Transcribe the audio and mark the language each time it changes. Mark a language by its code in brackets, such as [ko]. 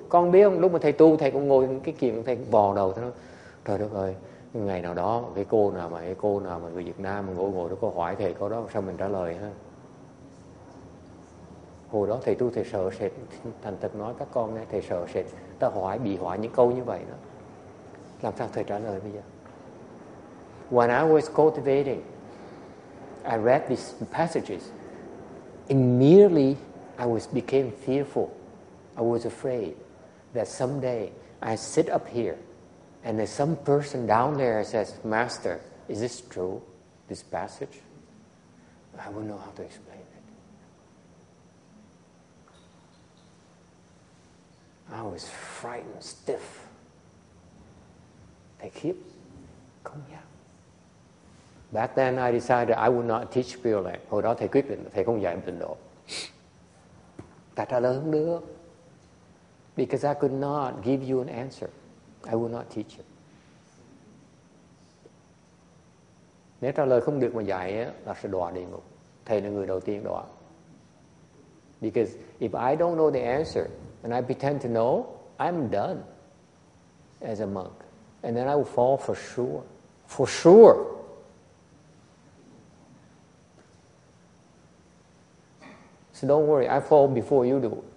[vi] Con biết không, lúc mà thầy tu, thầy cũng ngồi cái kiềm, thầy bò đầu. Thầy nói, trời đất ơi, ngày nào đó, cái cô nào mà người Việt Nam mà ngồi đó, cô hỏi thầy có đó, sao mình trả lời ha? Hồi đó thầy tu, thầy sợ sệt. Thành thật nói các con nghe, thầy sợ sệt. Ta hỏi, bị hỏi những câu như vậy đó. Làm sao thầy trả lời bây giờ? [en] When I was cultivating, I read these passages. Immediately, I became fearful. I was afraid that someday I sit up here and there's some person down there says, Master, is this true, this passage? I wouldn't know how to explain. I was frightened, stiff. They keep coming out. Back then, I decided I would not teach Pure Land. [vi] Hồi đó, thầy quyết định thầy không dạy Tịnh Độ. Ta trả lời không được. [en] Because I could not give you an answer. I would not teach you. [vi] Nếu trả lời không được mà dạy, là sẽ đọa địa ngục. Thầy là người đầu tiên đọa. [en] Because if I don't know the answer, and I pretend to know, I'm done as a monk. And then I will fall for sure. For sure. So don't worry, I fall before you do.